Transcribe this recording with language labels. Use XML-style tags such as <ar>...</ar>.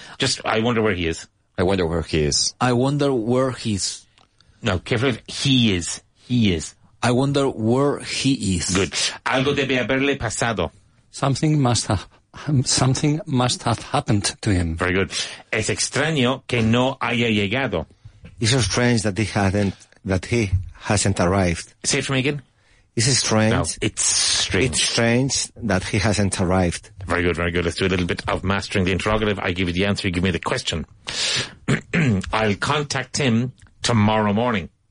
<en>Just, I wonder where he is. I wonder where he is. I wonder where he's... No, careful. He is. He is. I wonder where he is.</en> <es>Good. Algo debe haberle pasado.</es> <en>Something must have Something must have happened to him. Very good.</en> <es>Es extraño que no haya llegado.</es> <en>It's strange that he hasn't arrived. Say it for me again. It's strange. No, it's strange. It's strange that he hasn't arrived. Very good, very good. Let's do a little bit of mastering the interrogative. I give you the answer, you give me the question. I'll contact him tomorrow morning.</en>